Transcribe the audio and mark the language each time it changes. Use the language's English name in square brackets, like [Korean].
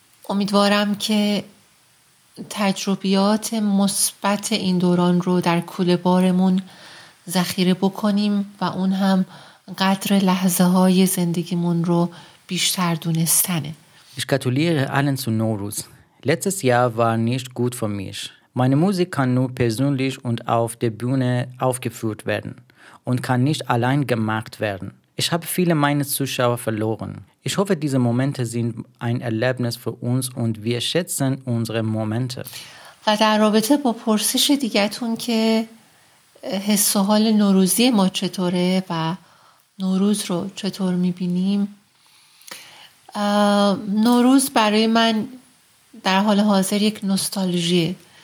[Persian] امیدوارم که تجربیات مثبت این دوران رو در کوله بارمون ذخیره بکنیم و اون هم قدر لحظه های زندگیمون رو بیشتر دونستنه. [German] Ich gratuliere allen zu Nowruz. Letztes Jahr war nicht gut für mich. Meine Musik kann nur persönlich und auf der Bühne aufgeführt werden und kann nicht allein gemacht werden. Ich habe viele meiner Zuschauer verloren. Ich hoffe, diese Momente sind ein Erlebnis für uns und wir schätzen unsere Momente. [Persian] و در رابطه با پرسش دیگتون که حس و حال نوروزی ما چطوره و نوروز رو چطور میبینیم؟ نوروز برای من در حال حاضر یک نوستالژیه.